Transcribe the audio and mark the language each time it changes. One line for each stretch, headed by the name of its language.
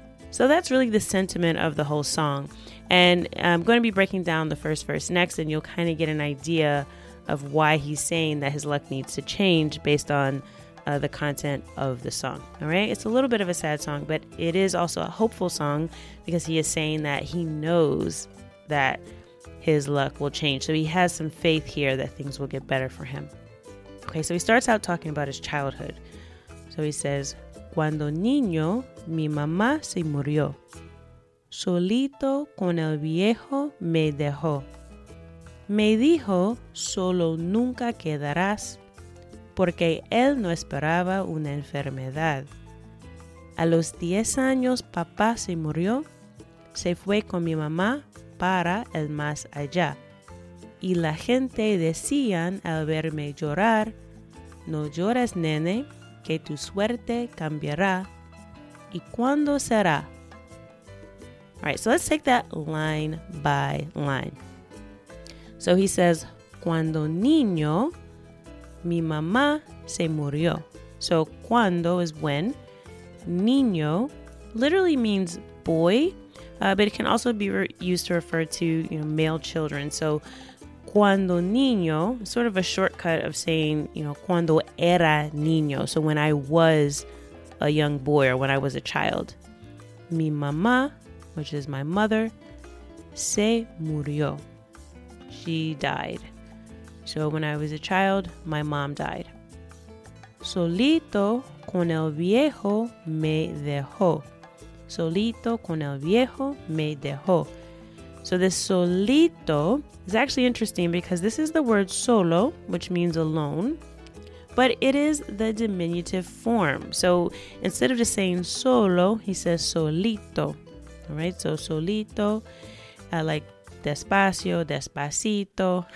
English: So that's really the sentiment of the whole song. And I'm going to be breaking down the first verse next, and you'll kind of get an idea of why he's saying that his luck needs to change based on the content of the song. All right. It's a little bit of a sad song, but it is also a hopeful song because he is saying that he knows that his luck will change. So he has some faith here that things will get better for him. Okay. So he starts out talking about his childhood. So he says,
Spanish: cuando niño, mi mamá se murió. Solito con el viejo me dejó. Me dijo, solo nunca quedarás, porque él no esperaba una enfermedad. A los 10 años papá se murió, se fue con mi mamá para el más allá. Y la gente decían al verme llorar, no llores nene, que tu suerte cambiará. ¿Y cuándo será?
English: All right, so let's take that line by line. So he says,
Spanish: cuando niño, mi mamá se murió.
English: So cuando is when. Niño literally means boy, but it can also be used to refer to, you know, male children. So cuando niño, sort of a shortcut of saying, you know,
Spanish: cuando era niño.
English: So when I was a young boy or when I was a child.
Spanish: Mi mamá,
English: which is my mother,
Spanish: se murió.
English: She died. So when I was a child, my mom died.
Spanish: Solito con el viejo me dejó. Solito con el viejo me dejó.
English: So this solito is actually interesting because this is the word solo, which means alone, but it is the diminutive form. So instead of just saying solo, he says solito. All right, so solito, like despacio, despacito.